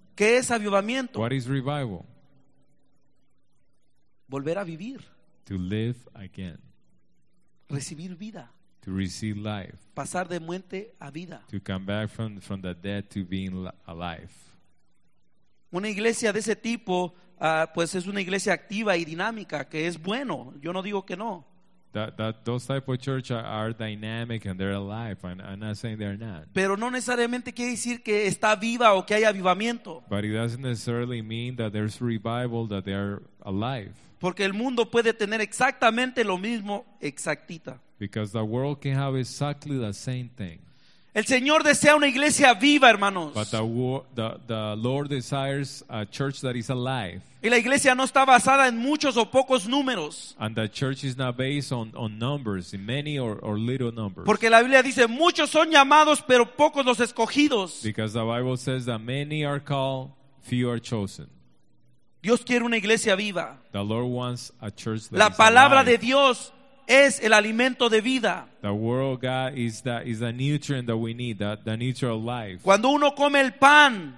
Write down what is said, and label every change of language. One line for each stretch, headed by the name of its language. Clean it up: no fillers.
Spanish: ¿Qué es avivamiento?
English: What is revival?
Spanish: Volver a vivir.
English: To live again.
Spanish: Recibir vida.
English: To receive life.
Spanish: Pasar de muerte a vida.
English: To come back from the dead to being alive.
Spanish: Una iglesia de ese tipo, pues es una iglesia activa y dinámica, que es bueno. Yo no digo que no.
English: Those type of church are dynamic and they're alive. I'm not saying they're not.
Spanish: Pero no necesariamente quiere decir que está viva o que hay avivamiento.
English: But it doesn't necessarily mean that there's revival, that they're alive.
Spanish: Porque el mundo puede tener exactamente lo mismo, exactita.
English: Because the world can have exactly the same thing.
Spanish: El Señor desea una iglesia viva, hermanos.
English: But the Lord desires a church that is alive.
Spanish: Y la iglesia no está basada en muchos o pocos números.
English: And the church is not based on numbers, in many or little numbers.
Spanish: Porque la Biblia dice, muchos son llamados, pero pocos los escogidos.
English: Because the Bible says that many are called, few are chosen.
Spanish: Dios quiere una iglesia viva.
English: The Lord wants a church that
Spanish: la palabra
English: is alive.
Spanish: De Dios es el alimento de vida.
English: The word of God is the nutrient that we need, the nutrient of life.
Spanish: Cuando uno come el pan,